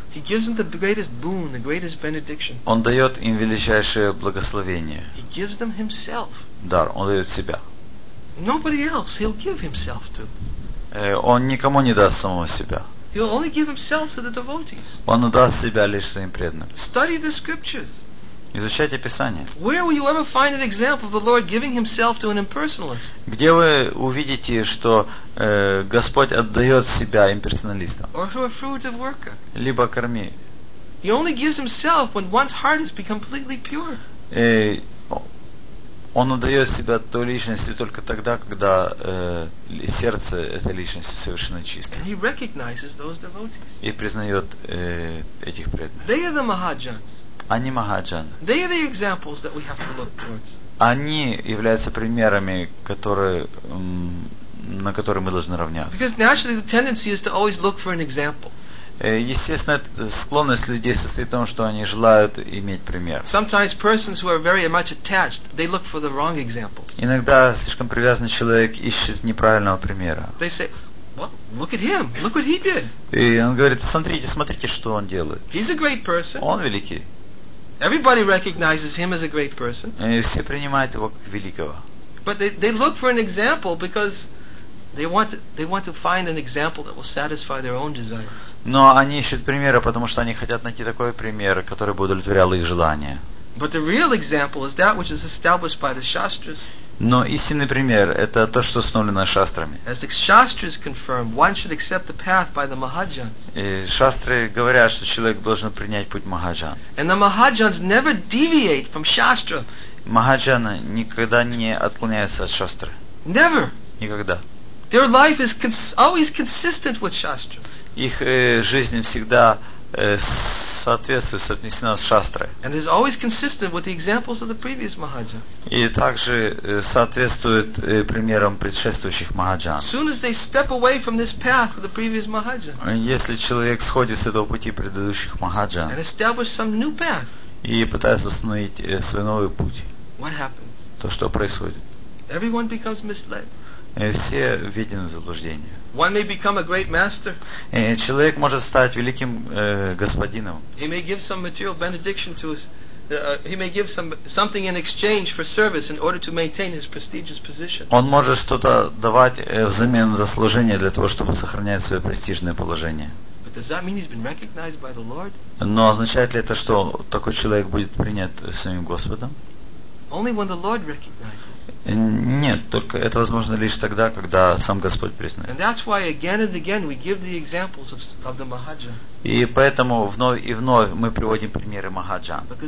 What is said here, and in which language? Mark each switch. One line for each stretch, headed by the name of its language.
English: He gives them the greatest boon, the greatest benediction.
Russian: Он дает им величайшее благословение.
English: He gives them Himself.
Russian: Дар, Он дает себя.
English: Nobody else He'll give Himself to.
Russian: Он никому не даст самого себя.
English: He'll only give Himself to the devotees.
Russian: Он даст себя лишь своим преданным.
English: Study the Scriptures.
Russian: Изучайте Писание.
English: Where will you ever find an example of the Lord giving Himself to an impersonalist?
Russian: Где вы увидите, что Господь отдает себя имперсоналистам?
English: Or to a fruitive worker.
Russian: Либо корми.
English: He only gives Himself when one's heart has become completely pure.
Russian: Он отдает себя той личности только тогда, когда сердце этой личности совершенно чисто.
English: And He recognizes those devotees.
Russian: И признает этих преданных.
English: They are the Mahajans.
Russian: Они махаджан.
English: They are the examples that we have to look towards.
Russian: Они являются примерами, которые, на которые мы должны равняться.
English: Because naturally the tendency is to always look for an example.
Russian: Естественно, склонность людей состоит в том, что они желают иметь пример.
English: Sometimes persons who are very much attached, they look for the wrong example.
Russian: Иногда слишком привязанный человек ищет неправильного примера.
English: They say, well, look at him, look what he did.
Russian: И он говорит, смотрите, смотрите, что он делает.
English: He's a great person.
Russian: Он великий.
English: Everybody recognizes him as a great person.
Russian: Все принимают его как великого.
English: But they look for an example because they want to find an example that will satisfy their own desires.
Russian: Но они ищут примера, потому что они хотят найти такой пример, который бы удовлетворял их желания.
English: But the real example is that which is established by the shastras.
Russian: Но истинный пример – это то, что установлено шастрами.
English: As the shastras confirm, one should accept the path by the mahajan.
Russian: И шастры говорят, что человек должен принять путь махаджан.
English: And the mahajans never deviate from shastra.
Russian: Махаджаны никогда не отклоняются от шастры.
English: Never.
Russian: Никогда.
English: Their life is always consistent with shastra.
Russian: Их жизнь всегда соответствует, соотнесена с шастрой.
English: And is always consistent with the examples of the previous mahajan.
Russian: И также соответствует примерам предшествующих махаджан.
English: As soon as they step away from this path of the previous mahajan.
Russian: Если человек сходит с этого пути предыдущих махаджан.
English: And establish some new path.
Russian: И пытается установить свой новый путь.
English: What happens?
Russian: То, что происходит.
English: Everyone becomes misled.
Russian: Все введены в заблуждение.
English: One may become a great master.
Russian: Человек может стать великим господином.
English: He may give some material benediction to his, he may give something in exchange for service in order to maintain his prestigious position.
Russian: Он может что-то давать взамен за служение для того, чтобы сохранять свое престижное положение.
English: But does that mean he's been recognized by the Lord?
Russian: Но означает ли это, что такой человек будет принят самим Господом?
English: Only when the Lord recognizes.
Russian: Нет, только это возможно лишь тогда, когда сам Господь признает. И поэтому вновь и вновь мы приводим примеры махаджан.